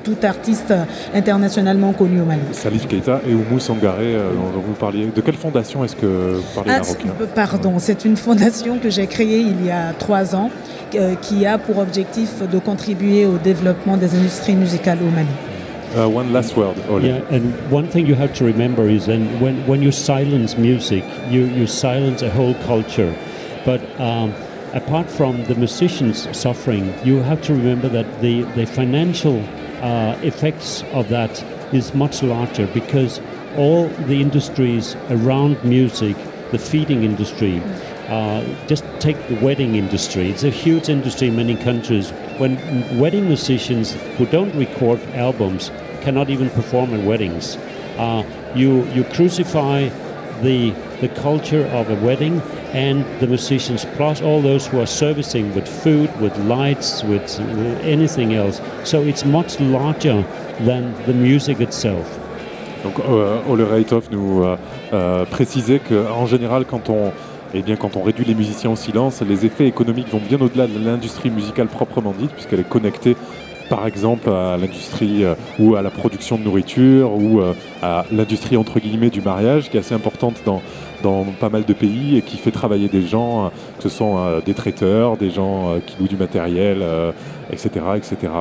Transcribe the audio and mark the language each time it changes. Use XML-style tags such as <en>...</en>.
<fr>Et tout artiste internationalement connu au Mali. Salif Keïta et Oumou Sangaré, dont vous parliez. De quelle fondation est-ce que vous parlez, marocain? Pardon, c'est une fondation que j'ai créée il y a 3 ans, qui a pour objectif de contribuer au développement des industries musicales au Mali.</fr> <en>One last word, Ole. Yeah, and one thing you have to remember is, and when you silence music, you silence a whole culture. But apart from the musicians suffering, you have to remember that the financial effects of that is much larger, because all the industries around music, the feeding industry, just take the wedding industry. It's a huge industry in many countries. When wedding musicians who don't record albums cannot even perform at weddings, you crucify the culture of a wedding and the musicians, plus all those who are servicing with food, with lights, with anything else. So it's much larger than the music itself.</en> <fr>Donc, Ole Reithoff nous précisait qu'en général, quand on réduit les musiciens au silence, les effets économiques vont bien au-delà de l'industrie musicale proprement dite, puisqu'elle est connectée, par exemple, à l'industrie ou à la production de nourriture ou à l'industrie, entre guillemets, du mariage, qui est assez importante dans pas mal de pays et qui fait travailler des gens, que ce sont des traiteurs, des gens qui louent du matériel, etc., etc.</fr>